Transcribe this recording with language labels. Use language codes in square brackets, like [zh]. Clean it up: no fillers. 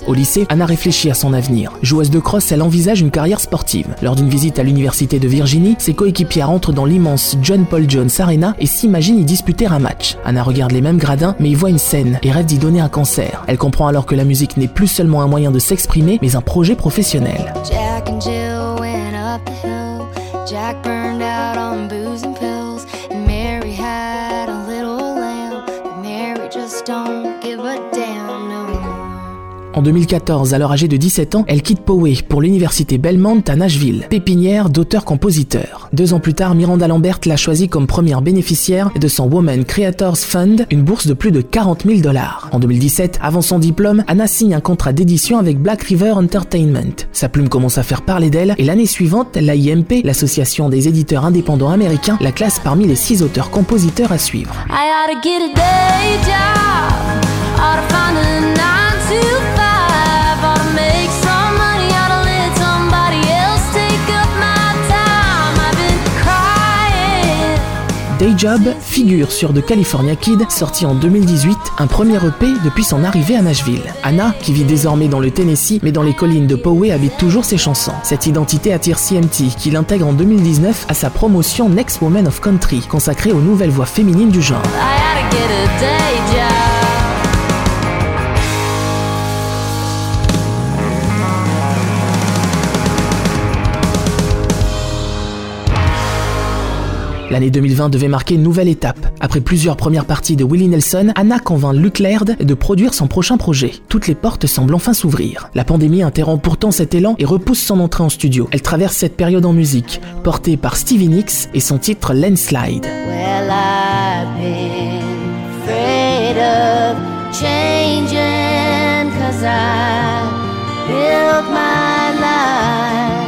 [fr] Au lycée, Anna réfléchit à son avenir. Joueuse de cross, elle envisage une carrière sportive. Lors d'une visite à l'université de Virginie, ses coéquipières entrent dans l'immense John Paul Jones Arena et s'imaginent y disputer un match. Anna regarde les mêmes gradins, mais y voit une scène et rêve d'y donner un concert. Elle comprend alors que la musique n'est plus seulement un moyen de s'exprimer, mais un projet professionnel. [en] Jack and Jill went up the hill. Jack burned out on booze and pills, and Mary had a little lamb. Mary just don't give a damn no more. [fr] En 2014, alors âgée de 17 ans, elle quitte Poway pour l'université Belmont à Nashville, pépinière d'auteurs-compositeurs. 2 ans plus tard, Miranda Lambert l'a choisie comme première bénéficiaire de son Women Creators Fund, une bourse de plus de 40 000 dollars. En 2017, avant son diplôme, Anna signe un contrat d'édition avec Black River Entertainment. Sa plume commence à faire parler d'elle, et l'année suivante, l'AIMP, l'Association des éditeurs indépendants américains, la classe parmi les 6 auteurs-compositeurs à suivre. [en] I oughta get a day job, oughta find a 9 to 5, ought to make some money, ought to let somebody else take up my time. I've been crying. [fr] Day Job figure sur The California Kid, sorti en 2018, un premier EP depuis son arrivée à Nashville. Anna, qui vit désormais dans le Tennessee, mais dans les collines de Poway, habite toujours ses chansons. Cette identité attire CMT, qui l'intègre en 2019 à sa promotion Next Woman of Country, consacrée aux nouvelles voix féminines du genre. [en] I gotta get a day job. [fr] L'année 2020 devait marquer une nouvelle étape. Après plusieurs premières parties de Willie Nelson, Anna convainc Luke Laird de produire son prochain projet. Toutes les portes semblent enfin s'ouvrir. La pandémie interrompt pourtant cet élan et repousse son entrée en studio. Elle traverse cette période en musique, portée par Stevie Nicks et son titre Landslide. [en] Well, I've been afraid of changing, 'cause I built my life.